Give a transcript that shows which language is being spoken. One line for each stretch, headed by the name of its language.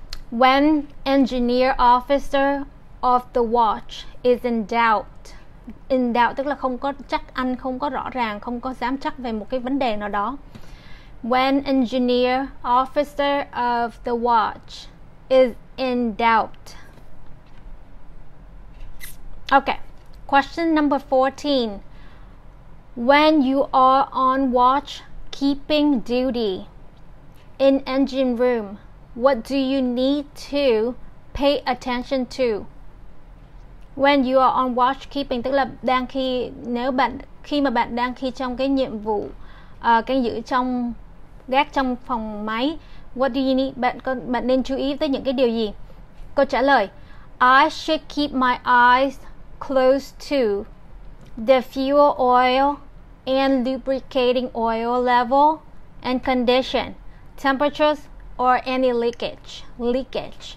English: When engineer officer of the watch is in doubt. In doubt
Vietnamese: tức là không có chắc ăn, không có rõ ràng, không có dám chắc về một cái vấn đề nào đó.
English: When engineer officer of the watch is in doubt. Okay. Question number 14. When you are on watch keeping duty in engine room, what do you need to pay attention to? When you are on watch keeping
Vietnamese: tức là đang khi nếu bạn khi mà bạn đang khi trong cái nhiệm vụ cái giữ trong gác trong phòng máy,
English: what do you need?
Vietnamese: Bạn nên chú ý tới những cái điều gì? Câu trả lời:
English: I should keep my eyes close to the fuel oil and lubricating oil level and condition, temperatures or any leakage.